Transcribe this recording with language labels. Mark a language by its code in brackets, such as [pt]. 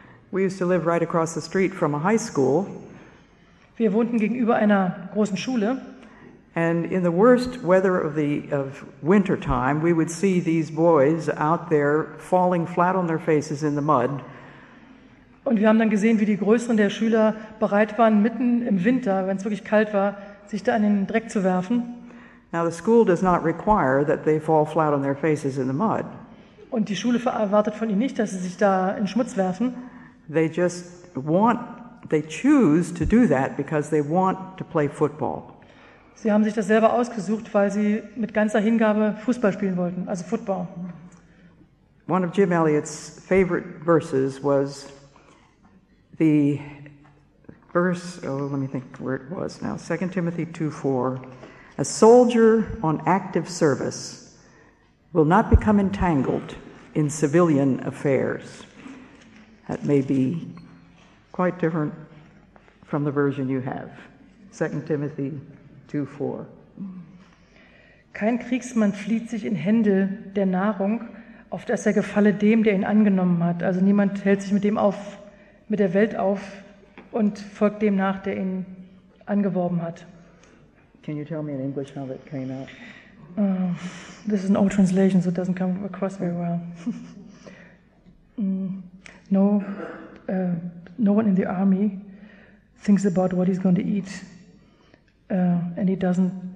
[en] We used to live right across the street from a high school. [de] Wir wohnten gegenüber einer großen Schule. [en] And in the worst weather of winter time, we would see these boys out there falling flat on their faces in the mud. [de] Und wir haben dann gesehen, wie die größeren der Schüler bereit waren, mitten im Winter, wenn es wirklich kalt war, sich da in den Dreck zu werfen. [en] Now the school does not require that they fall flat on their faces in the mud. [de] Und die Schule erwartet von ihnen nicht, dass sie sich da in Schmutz werfen. [en] They just want, they choose to do that because they want to play football. [de] Sie haben sich das selber ausgesucht, weil sie mit ganzer Hingabe Fußball spielen wollten, also Football. [en] One of Jim Elliot's favorite verses was the verse, let me think where it was now, 2 Timothy 2:4. A soldier on active service will not become entangled in civilian affairs. That may be quite different from the version you have. 2 Timothy 2:4. [de] Kein Kriegsmann flieht sich in Händel der Nahrung, auf dass er gefalle dem, der ihn angenommen hat. Also niemand hält sich mit dem auf, mit der Welt auf und folgt dem nach, der ihn angeworben hat. [en] Can you tell me in English how that came out? This is an old translation, so it doesn't come across very well. No one in the army thinks about what he's going to eat, and he doesn't.